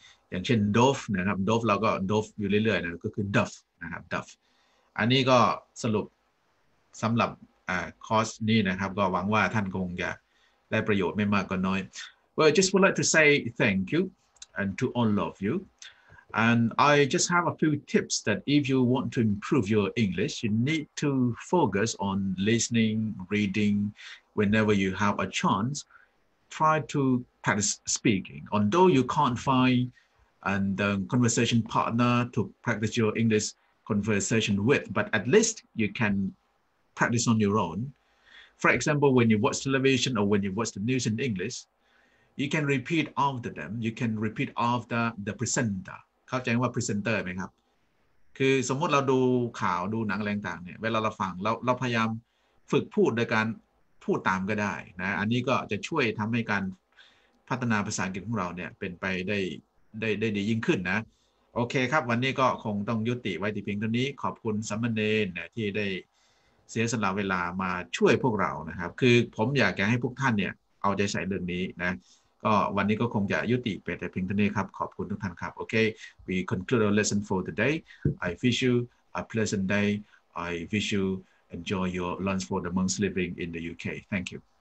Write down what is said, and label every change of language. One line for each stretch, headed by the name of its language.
Thai: อย่างเช่น dove นะครับ dove เราก็ dove อยู่เรื่อยๆนะก็คือ dove นะครับ dove อันนี้ก็สรุปสำหรับคอร์สนี้นะครับก็หวังว่าท่านคงจะได้ประโยชน์ไม่มากก็น้อย
English: Well, I just would like to say thank you and to all of you. And I just have a few tips that if you want to improve your English, you need to focus on listening, reading. Whenever you have a chance, try to practice speaking. Although you can't find a conversation partner to practice your English conversation with, but at least you can practice on your own. For example, when you watch television or when you watch the news in English, you can repeat after them. You can repeat after the presenter.
Thai: เข้าใจว่า presenter ไหมครับคือสมมติเราดูข่าวดูหนังอะไรต่างเนี่ยเวลาเราฟังเราพยายามฝึกพูดโดยการพูดตามก็ได้นะอันนี้ก็จะช่วยทำให้การพัฒนาภาษาอังกฤษของเราเนี่ยเป็นไปได้ ดียิ่งขึ้นนะโอเคครับวันนี้ก็คงต้องยุติไว้ที่เพียงเท่านี้ขอบคุณสามเณรนะที่ได้เสียสละเวลามาช่วยพวกเรานะครับคือผมอยากให้พวกท่านเนี่ยเอาใจใส่เรื่องนี้นะก็วันนี้ก็คงจะยุติไปแต่เพียงเท่านี้ครับขอบคุณทุกท่านครับโอเค
English: we conclude our lesson for today I wish you a pleasant day I wish you enjoy your lunch for the monks living in the UK thank you